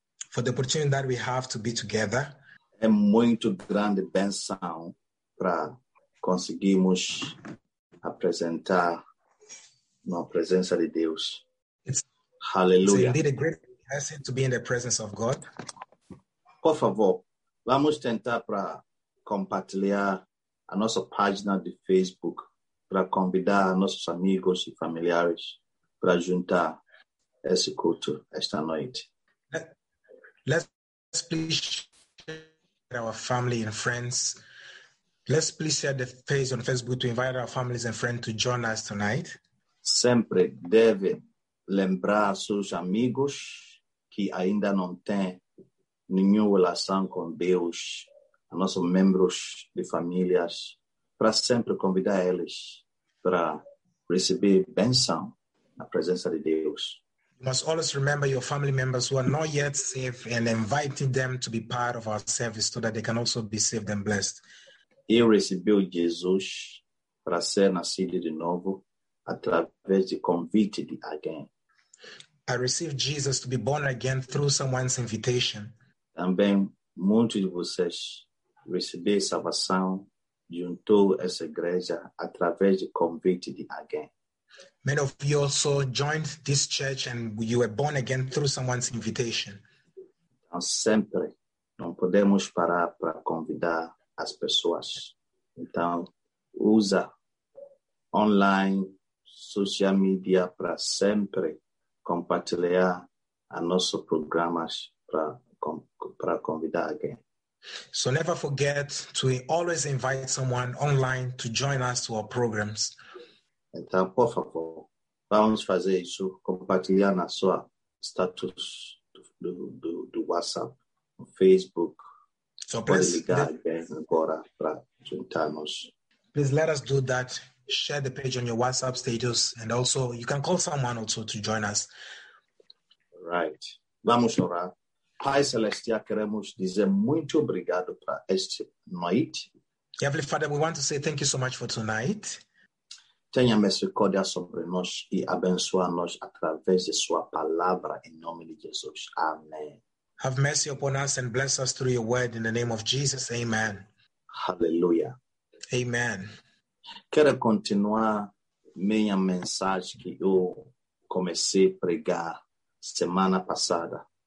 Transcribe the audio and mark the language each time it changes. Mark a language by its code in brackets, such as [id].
[en] For the opportunity we have to be together. [pt] É muito grande bênção para conseguirmos apresentar na presença de Deus. Aleluia. [en] It's indeed a great blessing to be in the presence of God. [pt] Por favor, vamos tentar para compartilhar a nossa página de Facebook para convidar nossos amigos e familiares para juntar esse culto esta noite. [en] Let's please share our family and friends. Let's please share the page on Facebook to invite our families and friends to join us tonight. [pt] Sempre deve lembrar seus amigos que ainda não têm nenhuma relação com Deus, nossos membros de famílias, para sempre convidar eles para receber bênção na presença de Deus. [en] You must always remember your family members who are not yet saved and inviting them to be part of our service so that they can also be saved and blessed. [pt] Eu recebi Jesus para ser nascido de novo através de convite de alguém. [en] I received Jesus to be born again through someone's invitation. [pt] Também muitos de vocês receber salvação junto a essa igreja através de convite de alguém. [en] Many of you also joined this church and you were born again through someone's invitation. [pt] Então, sempre não podemos parar para convidar as pessoas. Então, usa online, social media para sempre compartilhar a nossos programas para convidar alguém. [en] So never forget to always invite someone online to join us to our programs. [pt] Então, por favor, vamos fazer isso, compartilhar na sua status do WhatsApp, Facebook. [en] So please let us do that. Share the page on your WhatsApp status and also you can call someone also to join us. Right. [pt] Vamos orar. Pai Celestial, queremos dizer muito obrigado para esta noite. [en] Heavenly Father, we want to say thank you so much for tonight. [pt] Tenha misericórdia sobre nós e abençoa-nos através de sua palavra em nome de Jesus. Amém. [en] Have mercy upon us and bless us through your word in the name of Jesus. Amen. Hallelujah. Amen. [pt] Quero continuar minha mensagem que eu comecei a pregar semana passada.